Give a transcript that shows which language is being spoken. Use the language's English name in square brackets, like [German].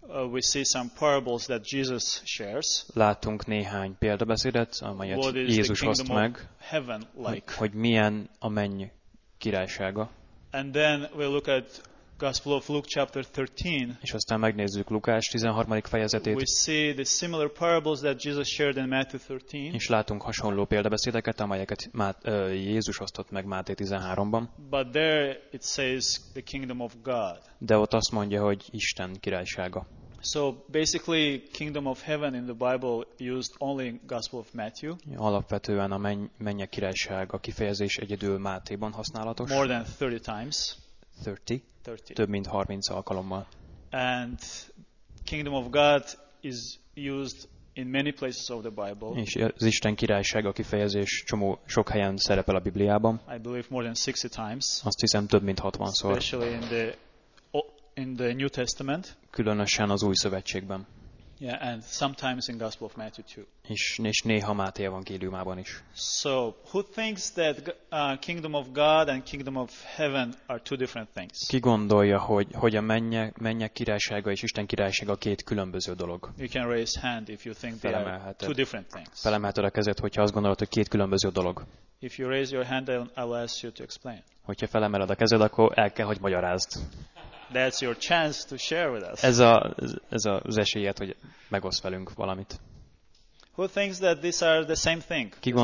[English] We see some parables that Jesus shares. [Hungarian] Látunk néhány példabeszédet, amelyet Jézus hoz meg, [English] like. [Hungarian] Hogy milyen a menny királysága. [English] And then we look at Gospel of Luke chapter 13. [Hungarian] És aztán megnézzük Lukács 13. fejezetét. [English] We see the similar parables that Jesus shared in Matthew 13. [Hungarian] És látunk hasonló példabeszédeket, amelyeket Jézus osztott meg Máté 13-ban. [English] But there it says the kingdom of God. [Hungarian] De ott azt mondja, hogy Isten királysága. [English] So basically kingdom of heaven in the Bible used only in Gospel of Matthew. [Hungarian] Alapvetően a mennyek királysága kifejezés egyedül Mátéban használatos. [English] More than 30 times. [Hungarian] 30. Több mint 30 alkalommal. [English] And kingdom of God is used in many places of the Bible. [Hungarian] És az Isten királysága kifejezés csomó sok helyen szerepel a Bibliában. [English] I believe more than 60 times. [Hungarian] Azt hiszem több mint 60-szor. [English] Especially in the New Testament. [Hungarian] Különösen az Új Szövetségben. [English] Yeah, and sometimes in Gospel of Matthew too. [Hungarian] És néha Máté evangéliumában is. [English] So, who thinks that kingdom of God and kingdom of heaven are two different things? [Hungarian] Ki gondolja, hogy a mennyek királysága és Isten királysága két különböző dolog? [English] You can raise hand if you think they are two different things. [Hungarian] Felemelheted a kezed, hogyha azt gondolod, hogy két különböző dolog. [English] If you raise your hand, I will ask you to explain. [Hungarian] Hogyha felemeled a kezed, akkor el kell, hogy magyarázd. [English] That's your chance to share with us. [Hungarian] Ez az esélyed, hogy megoszd velünk valamit. [English] Who thinks that these are the same thing?